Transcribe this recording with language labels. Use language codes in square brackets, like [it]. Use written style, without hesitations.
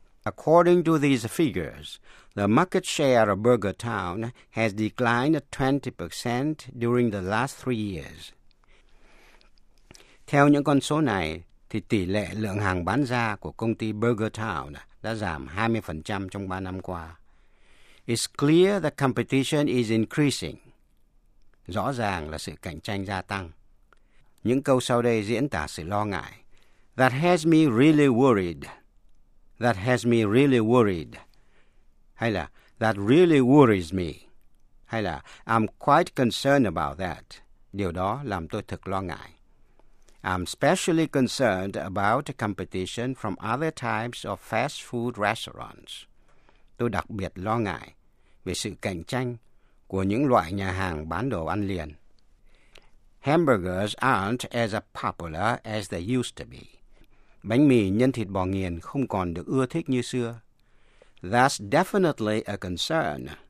[en] According to these figures, the market share of Burger Town has declined 20% during the last 3 years. [vi] Theo những con số này, thì tỷ lệ lượng hàng bán ra của công ty Burger Town đã giảm 20% trong 3 năm qua. [en] It's clear the competition is increasing. [vi] Rõ ràng là sự cạnh tranh gia tăng. Những câu sau đây diễn tả sự lo ngại. [en] That has me really worried. That has me really worried. [vi] Hay là [en] that really worries me. [vi] Hay là [en] I'm quite concerned about that. [vi] Điều đó làm tôi thực lo ngại. [en] I'm specially concerned about competition from other types of fast food restaurants. [vi] Tôi đặc biệt lo ngại về sự cạnh tranh của những loại nhà hàng bán đồ ăn liền. [en] Hamburgers aren't as popular as they used to be. [vi] Bánh mì nhân thịt bò nghiền không còn được ưa thích như xưa. [en] That's definitely a concern.